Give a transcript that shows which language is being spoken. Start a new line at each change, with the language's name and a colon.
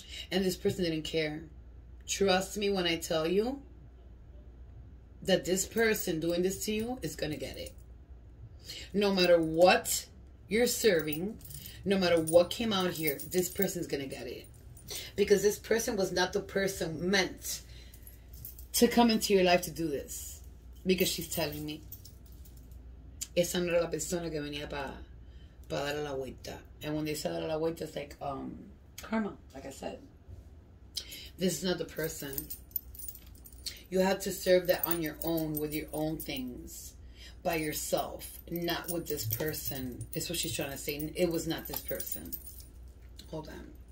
English: And this person didn't care. Trust me when I tell you that this person doing this to you is going to get it. No matter what you're serving, no matter what came out here, this person's going to get it. Because this person was not the person meant to come into your life to do this. Because she's telling me,
Spanish: esa no era la persona que venía para dar la vuelta.
English: And when they say
Spanish: dar la vuelta,
English: it's like karma, like I said. This is not the person. You have to serve that on your own, with your own things, by yourself, not with this person. It's what she's trying to say. It was not this person. Hold on.